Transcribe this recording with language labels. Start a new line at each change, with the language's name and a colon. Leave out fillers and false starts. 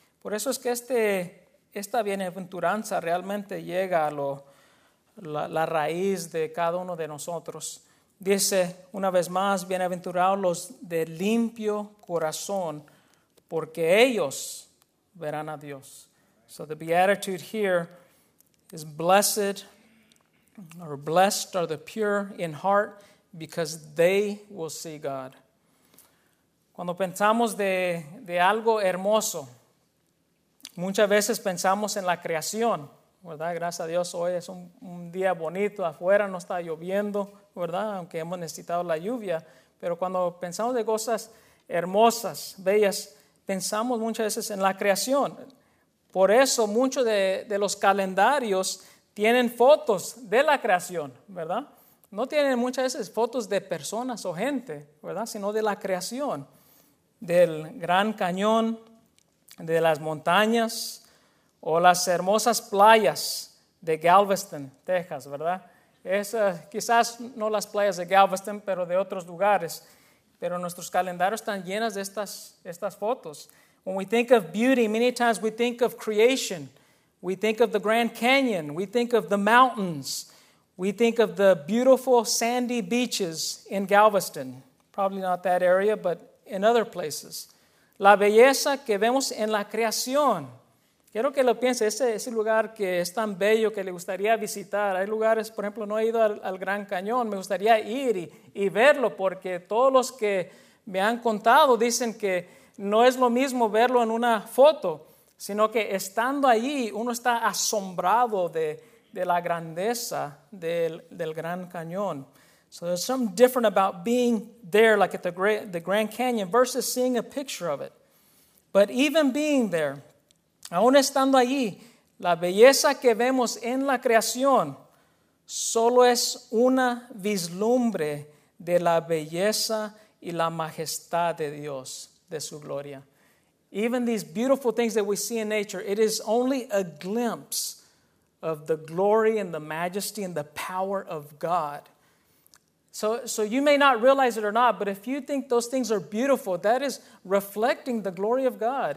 Spanish: Por eso es que esta bienaventuranza realmente llega a la raíz de cada uno de nosotros. Dice una vez más, bienaventurados los de limpio corazón, porque ellos verán a Dios.
English: So the beatitude here is blessed are the pure in heart, because they will see God.
Spanish: Cuando pensamos de algo hermoso, muchas veces pensamos en la creación, ¿verdad? Gracias a Dios hoy es un día bonito afuera, no está lloviendo, ¿verdad? Aunque hemos necesitado la lluvia. Pero cuando pensamos de cosas hermosas, bellas, pensamos muchas veces en la creación. Por eso muchos de los calendarios tienen fotos de la creación, ¿verdad? No tienen muchas veces fotos de personas o gente, ¿verdad? Sino de la creación, del Gran Cañón, de las montañas o las hermosas playas de Galveston, Texas, ¿verdad? Esas, quizás no las playas de Galveston, pero de otros lugares. Pero nuestros calendarios están llenos de estas fotos.
English: When we think of beauty, many times we think of creation. We think of the Grand Canyon. We think of the mountains. We think of the beautiful sandy beaches in Galveston. Probably not that area, but in other places.
Spanish: La belleza que vemos en la creación. Quiero que lo piense, ese lugar que es tan bello que le gustaría visitar. Hay lugares, por ejemplo, no he ido al Gran Cañón. Me gustaría ir y verlo, porque todos los que me han contado dicen que no es lo mismo verlo en una foto, sino que estando allí uno está asombrado de la grandeza del Gran Cañón.
English: So there's something different about being there, like at the Grand Canyon, versus seeing a picture of it. But even being there,
Spanish: aún estando allí, la belleza que vemos en la creación solo es una vislumbre de la belleza y la majestad de Dios, de su gloria.
English: Even these beautiful things that we see in nature, it is only a glimpse of the glory and the majesty and the power of God. So you may not realize it or not, but if you think those things are beautiful, that is reflecting the glory of God.